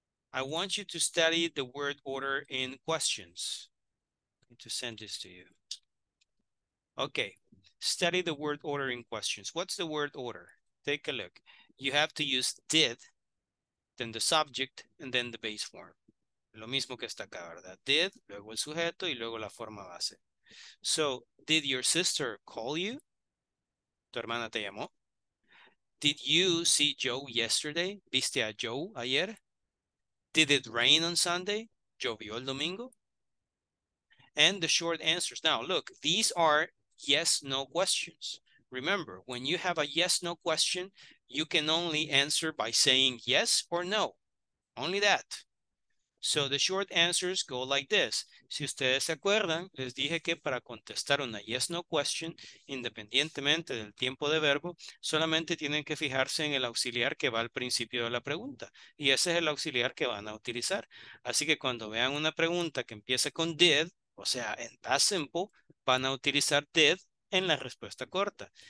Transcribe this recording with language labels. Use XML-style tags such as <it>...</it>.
<en>I want you to study the word order in questions. I'm going to send this to you. Okay, study the word order in questions. What's the word order? Take a look. You have to use did, then the subject, and then the base form.</en> <es>Lo mismo que está acá, ¿verdad? Did, luego el sujeto, y luego la forma base.</es> <en>So, did your sister call you?</en> <es>¿Tu hermana te llamó?</es> <en>Did you see Joe yesterday?</en> <es>¿Viste a Joe ayer?</es> <en>Did it rain on Sunday?</en> <es>¿Llovió el domingo?</es> <en>And the short answers. Now, look, these are yes, no questions. Remember, when you have a yes, no question, you can only answer by saying yes or no. Only that. So the short answers go like this.</en> <es>Si ustedes se acuerdan, les dije que para contestar una yes no question, independientemente del tiempo de verbo, solamente tienen que fijarse en el auxiliar que va al principio de la pregunta. Y ese es el auxiliar que van a utilizar. Así que cuando vean una pregunta que empiece con did, o sea, en past simple, van a utilizar did en la respuesta corta.</es>